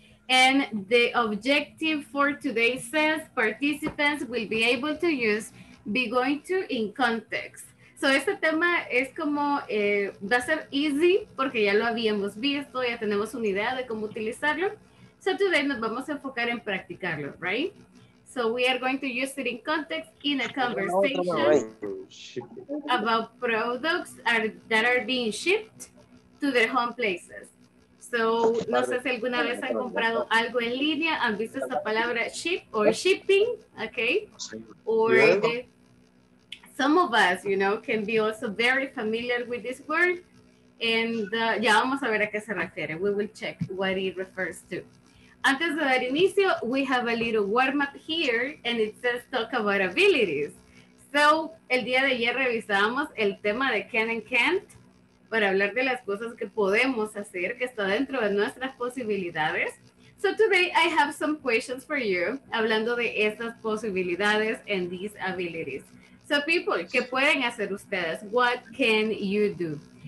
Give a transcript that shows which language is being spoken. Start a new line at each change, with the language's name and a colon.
English: And the objective for today says participants will be able to use be going to in context.
Spanish: So este tema es como, va a ser easy porque ya lo habíamos visto, ya tenemos una idea de cómo utilizarlo.
English: So today
Spanish: nos vamos a enfocar en practicarlo, right?
English: So we are going to use it in context in a conversation about products that are being shipped to their home places.
Spanish: So, no sé si alguna vez han comprado algo en línea, han visto esta palabra ship or shipping, okay?
English: Or some of us, you know, can be also very familiar with this word.
Spanish: And ya vamos a ver a qué se refiere.
English: We will check what it refers to.
Spanish: Antes de dar inicio,
English: we have a little warm up here and it says talk about abilities.
Spanish: So, el día de ayer revisábamos el tema de can and can't. Para hablar de las cosas que podemos hacer, que está dentro de nuestras posibilidades.
English: So today I have some questions for you,
Spanish: hablando de estas posibilidades
English: and these abilities. So people,
Spanish: ¿qué pueden hacer ustedes?
English: What can you do?